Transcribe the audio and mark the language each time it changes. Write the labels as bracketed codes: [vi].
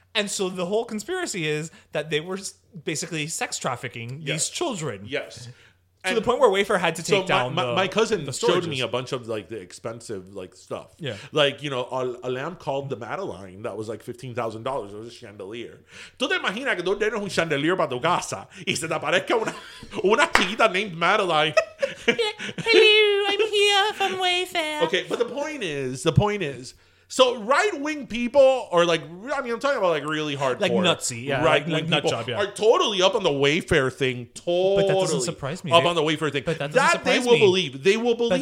[en] And so the whole conspiracy is that they were basically sex trafficking these children. Yes. To the point where Wayfair had to take down the My cousin showed me a bunch of like the expensive like stuff. Yeah. Like, you know, a lamp called the Madeline that was like $15,000. It was a chandelier. [es] ¿Tú te imaginas que tú tienes un chandelier para tu casa y se te aparezca una chiquita named Madeline? [en] Hello, I'm here from Wayfair. Okay, but the point is, so right-wing people are like, I mean, I'm talking about like really hardcore. Like nutsy, yeah. Right-wing like people are totally up on the Wayfair thing. Totally. But that doesn't surprise me. Up on the Wayfair thing. But that doesn't surprise me. They will believe. They will believe